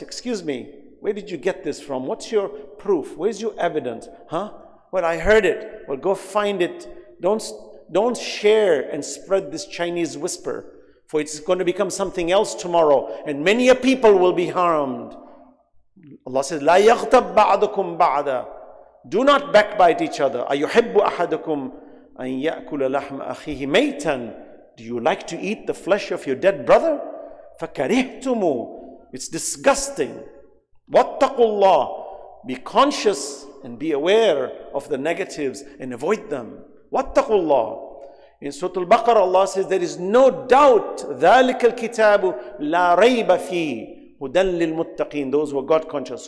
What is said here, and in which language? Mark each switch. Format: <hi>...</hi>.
<en>Excuse me, where did you get this from? What's your proof? Where's your evidence? Huh? Well, I heard it. Well, go find it. Don't share and spread this Chinese whisper, for it's going to become something else tomorrow, and many a people will be harmed. Allah says,</en> <ar>لَا يَغْتَبْ بَعْضُكُمْ بَعْضًا.</ar> <en>Do not backbite each other.</en> <ar>أَيُحِبُّ أَحَدُكُمْ أَنْ يَأْكُلَ لَحْمَ أَخِيهِ مَيْتًا.</ar> <en>Do you like to eat the flesh of your dead brother?</en> <ar>فَكَرِهْتُمُ.</ar> <en>It's disgusting.</en> <ar>وَاتَّقُوا اللَّهِ.</ar> <en>Be conscious and be aware of the negatives and avoid them.</en> <ar>وَاتَّقُوا اللَّهِ.</ar> <en>In Surah Al-Baqarah, Allah says, there is no doubt,</en> <ar>ذَلِكَ الْكِتَابُ لَا رَيْبَ فِيهِ هُدًى لِلْمُتَّقِينَ.</ar> <en>Those who are God conscious.</en>